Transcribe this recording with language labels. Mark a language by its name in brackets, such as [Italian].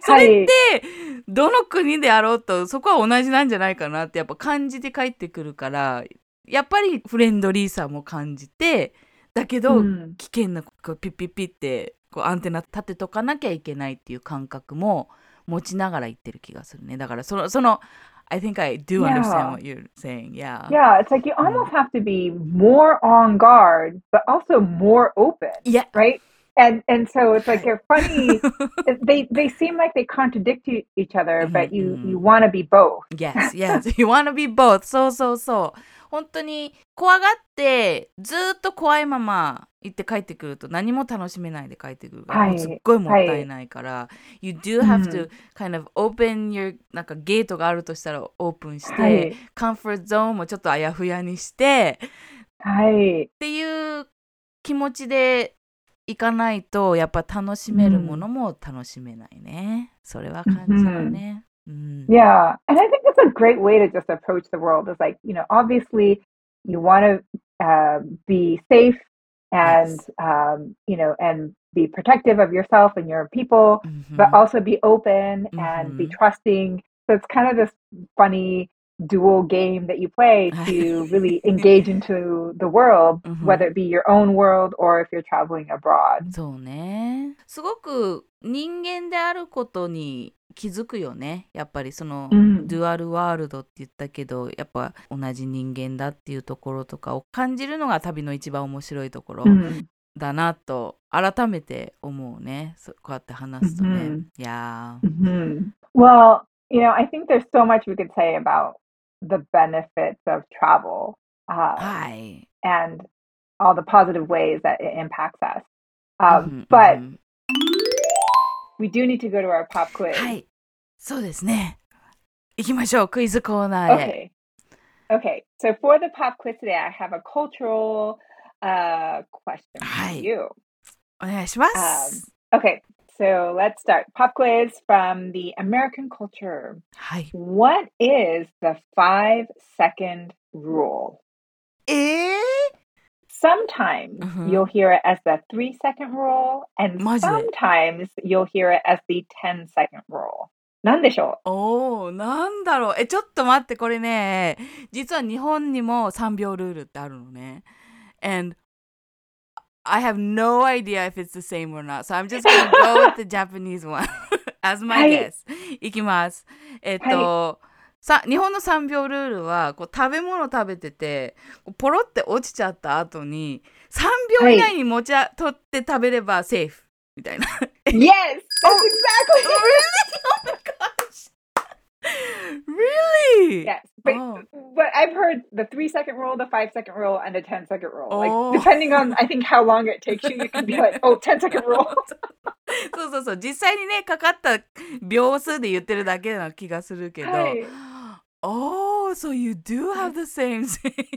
[Japanese] それって、はい、どの国であろうとそこは同じなんじゃないかなってやっぱ感じて帰ってくるから、やっぱりフレンドリーさも感じて、だけど、うん、危険なこうピッピッピッってこうアンテナ立てとかなきゃいけないっていう感覚も持ちながら行ってる気がするね。だからその [English] I think I do understand what you're saying. Yeah. Yeah, it's like you almost have to be more on guard but also more open. Yeah. RightAnd so it's like they're funny. they seem like they contradict each other, but you want to be both. Yes, yes. You want to be both. [Japanese] そうそうそう。本当に怖がってずっと怖いまま行って帰ってくると何も楽しめないで帰ってくるから、はい、すっごいもったいないから、はい、 [English] You do have to kind of open your [Japanese] なんかゲートがあるとしたらオープンして、はい、comfort zone もちょっとあやふやにして、はい、っていう気持ちで行かないとやっぱ楽しめるものも楽しめないね、うん、それは感じるね、うん、 [English] Yeah, and I think that's a great way to just approach the world. It's like, you know, obviously you want to be safe and, yes. You know, and be protective of yourself and your people, mm-hmm. but also be open and mm-hmm. be trusting. So it's kind of this funny dual game that you play to really engage into the world, whether it be your own world or if you're traveling abroad. [Japanese] そうね。すごく人間であることに気づくよね。やっぱりその、うん、デュアルワールドって言ったけど、やっぱ同じ人間だっていうところとかを感じるのが旅の一番面白いところだなと改めて思うね。そうこうやって話すとね。いやー。 [English] Well, you know, I think there's so much we could say about the benefits of travel. And all the positive ways that it impacts us. But we do need to go to our pop quiz. [Japanese] はい、そうですね。行きましょう、クイズコーナーへ。 [English] Okay. Okay, so for the pop quiz today, I have a cultural question for、はい、you. [Japanese] お願いします。 [English] Okay, so let's start. Pop quiz from the American culture. [Japanese] はい。 [English] What is the 5-second rule? Sometimes you'll hear it as the 3-second rule, and sometimes you'll hear it as the 10-second rule. [Japanese] なんでしょう？おー、なんだろう。え、ちょっと待って、これね、実は日本にも3秒ルールってあるのね。 [English] And I have no idea if it's the same or not, so I'm just gonna go with the Japanese one as my guess. [Japanese] 行きます。さ、日本の3秒ルールはこう食べ物食べててポロって落ちちゃった後に3秒以内に持ち、はい、取って食べればセーフみたいな。 [English] Yes! That's exactly it! Really? Oh my gosh! Really? Yes. But I've heard the 3-second rule, the 5-second rule, and the 10-second rule. Like, depending on, I think, how long it takes you, you can be like, oh, 10-second rule. [Japanese] そうそうそう、実際にねかかった秒数で言ってるだけな気がするけど、はい、 [English] Oh, so you do have the same thing.